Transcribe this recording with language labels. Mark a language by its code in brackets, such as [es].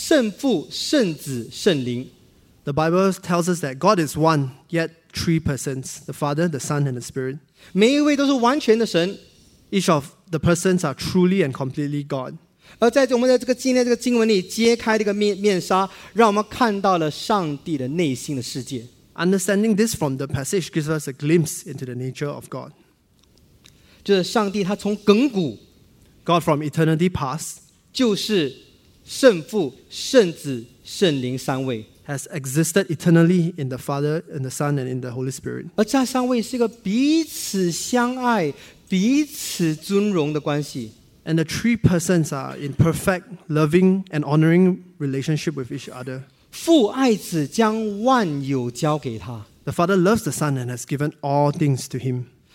[zh] 但他却有三位，圣父、圣子、圣灵。 [en] The Bible tells us that God is one, yet three persons, the Father, the Son, and the Spirit. [zh] 每一位都是完全的神。 [en] Each of the persons are truly and completely God. [zh] 而在我们的这个经文里揭开这个面纱，让我们看到了上帝的内心的世界。 [en] Understanding this from the passage gives us a glimpse into the nature of God. [zh] 就是上帝他从亘古， [en] God from eternity past, [zh] 就是圣父、圣子、圣灵三位， [en] has existed eternally in the Father, in the Son, and in the Holy Spirit. [zh] 而这三位是一个彼此相爱， 彼此尊荣的关系。 [en] And the three persons are in perfect, loving, and honoring relationship with each other. [zh] 父爱子将万有交给他。 [en] The Father loves the Son and has given all things to him.